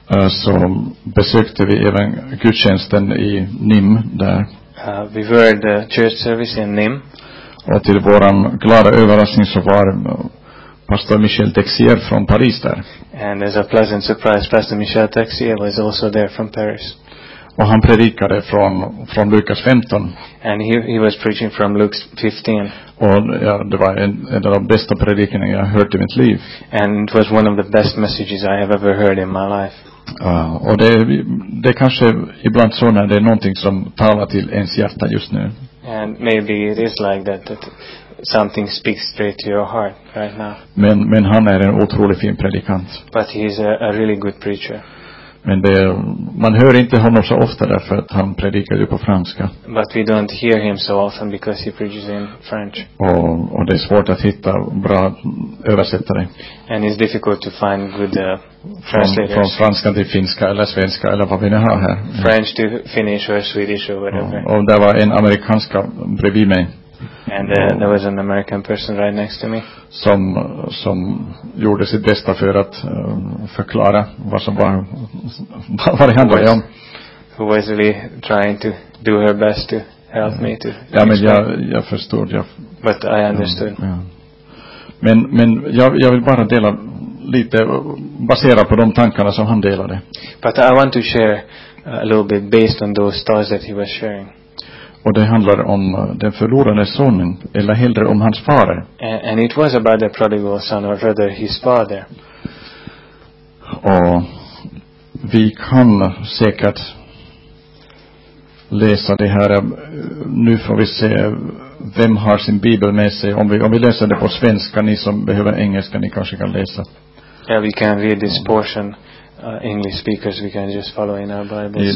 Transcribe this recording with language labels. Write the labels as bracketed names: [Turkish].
[Swedish] Så besökte vi även gudstjänsten i Nîmes där. [English] We were at the church service in Nîmes. [Swedish] Och till våran glada överraskning så var Pastor Michel Texier från Paris där. [English] And as a pleasant surprise, Pastor Michel Texier was also there from Paris. [Swedish] Och han predikade från Lukas 15. [English] And he was preaching from Luke 15. [Swedish] Och ja, det var en av de bästa predikningarna jag hört i mitt liv. [English] And it was one of the best messages I have ever heard in my life. [Swedish] Och det kanske ibland så när det är någonting som talar till ens hjärta just nu. [English] And maybe it is like that, that something speaks straight to your heart right now. [Swedish] Men han är en otroligt fin predikant. [English] But he is a really good preacher. [Swedish] Men det, man hör inte honom så ofta därför att han predikar ju på franska. [English] But we don't hear him so often because he preaches in French. [Swedish] Och det är svårt att hitta bra översättare. [English] And it's difficult to find good translators. [Swedish] Från franska till finska eller svenska eller vad vi nu har här. [English] French to Finnish or Swedish or whatever. [Swedish] Och där var en amerikanska bredvid mig. [English] And there was an American person right next to me. [Swedish] Som gjorde sitt bästa för att förklara vad som var vad det handlade om. [English] Who was really trying to do her best to help me to. [Swedish] Ja, men jag förstod. [English] But I understood. [Swedish] Ja. Men jag vill bara dela lite baserat på de tankarna som han delade. [English] But I want to share a little bit based on those thoughts that he was sharing. [Swedish] Och det handlar om den förlorade sonen eller hellre om hans far. [English] And it was about the prodigal son or rather his father. [Swedish] Och vi kan säkert läsa det här. Nu får vi se vem har sin bibel med sig. Om vi läser det på svenska, ni som behöver engelska, ni kanske kan läsa. [English] Yeah, we can read this portion. English speakers, we can just follow in our Bibles.